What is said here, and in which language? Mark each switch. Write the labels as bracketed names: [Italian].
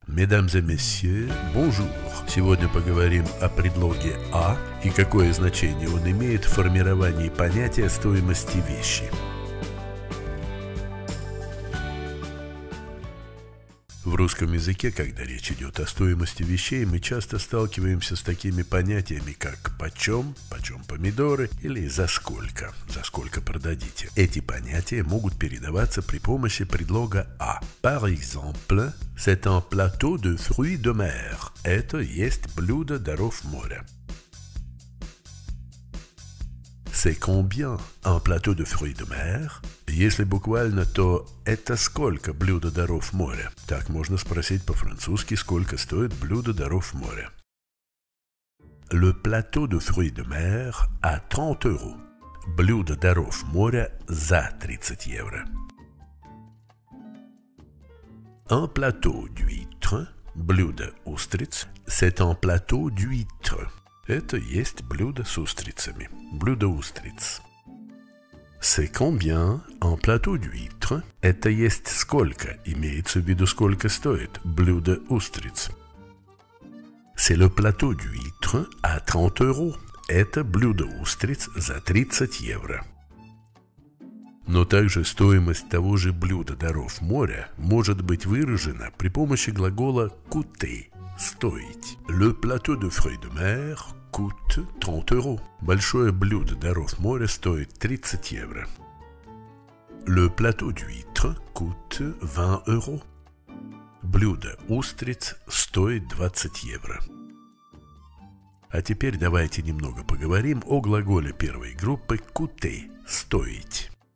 [French] Mesdames et messieurs, bonjour. [Russian] Сегодня поговорим о предлоге «а» и какое значение он имеет в формировании понятия стоимости вещи. В русском языке, когда речь идет о стоимости вещей, мы часто сталкиваемся с такими понятиями, как «почем», «почем помидоры» или «за сколько», «за сколько продадите». Эти понятия могут передаваться при помощи предлога «а». [French] Par exemple, c'est un plateau de fruits de mer. [Russian] Это есть блюдо даров моря. [French] C'est combien un plateau de fruits de mer? [Russian] Если буквально, то «это сколько блюдо даров моря?» Так можно спросить по-французски, сколько стоит блюдо даров моря. [French] Le plateau de fruits de mer à 30 euros. [Russian] Блюдо даров моря за 30 евро. [French] Un plateau d'huître, [Russian] блюдо устриц, [French] c'est un plateau d'huître. [Russian] Это есть блюдо с устрицами. Блюдо устриц. [French] C'est combien un plateau d'huître? [Russian] Это есть сколько? Имеется в виду сколько стоит блюдо устриц. [French] C'est le plateau d'huître à 30 euros. [Russian] Это блюдо устриц за 30 евро. Но также стоимость того же блюда даров моря может быть выражена при помощи глагола coûter – стоить. [French] Le plateau de fruits de mer coûte 30 euros. [Russian] Большое блюдо даров моря стоит 30 евро. [French] Le plateau d'huître coûte 20 euros. [Russian] Блюдо устриц стоит 20 евро. А теперь давайте немного поговорим о глаголе первой группы coûter – стоить.